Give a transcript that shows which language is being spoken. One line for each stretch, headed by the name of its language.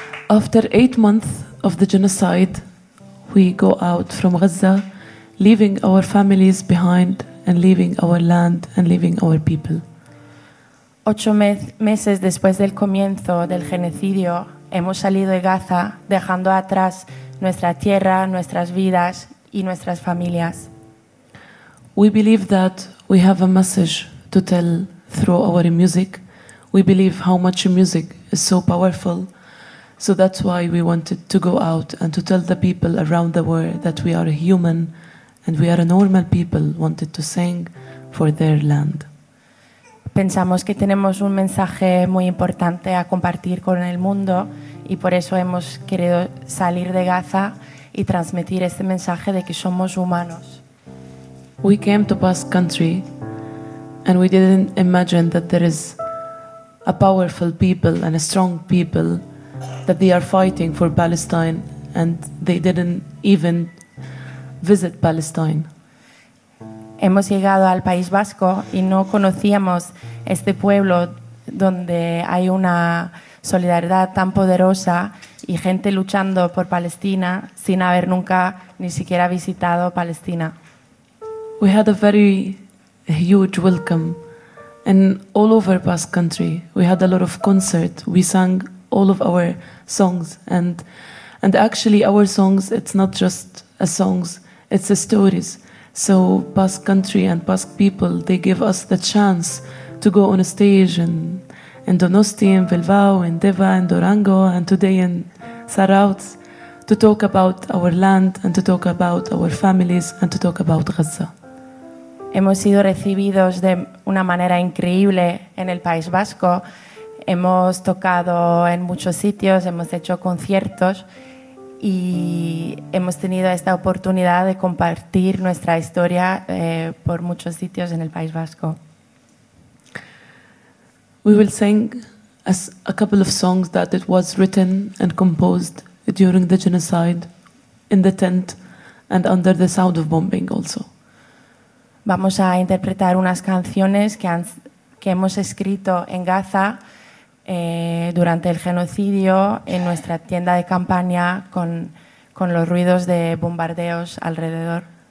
English: After 8 months of the genocide, we go out from Gaza, leaving our families behind and leaving our land and leaving our people.
Spanish: 8 meses después del comienzo del genocidio, hemos salido de Gaza, dejando atrás nuestra tierra, nuestras vidas y nuestras familias.
English: We believe that we have a message to tell through our music. We believe how much music is so powerful. So that's why we wanted to go out and to tell the people around the world that we are a human and we are a normal people wanted to sing for their land.
Spanish: Pensamos que tenemos un mensaje muy importante a compartir con el mundo y por eso hemos querido salir de Gaza y transmitir este mensaje de que somos humanos.
English: We came to Basque Country and we didn't imagine that there is a powerful people and a strong people that they are fighting for Palestine and they didn't even visit Palestine.
Spanish: Hemos llegado al País Vasco y no conocíamos este pueblo donde hay una solidaridad tan poderosa y gente luchando por Palestina sin haber nunca ni siquiera visitado Palestina.
English: We had a very huge welcome and all over Basque Country. We had a lot of concert. We sang all of our songs and actually our songs, it's not just a songs, it's a stories. So Basque Country and Basque people, they give us the chance to go on a stage in Donosti, in Bilbao, in Deva, in Durango, and today in Zarautz, to talk about our land and to talk about our families and to talk about Gaza.
Spanish: Hemos sido recibidos de una manera increíble en el País Vasco. Hemos tocado en muchos sitios, hemos hecho conciertos y hemos tenido esta oportunidad de compartir nuestra historia por muchos sitios en el País Vasco.
English: We will sing a couple of songs that it was written and composed during the genocide, in the tent, and under the sound of bombing also.
Spanish: Vamos a interpretar unas canciones que hemos escrito en Gaza durante el genocidio, en nuestra tienda de campaña, con los ruidos de bombardeos alrededor.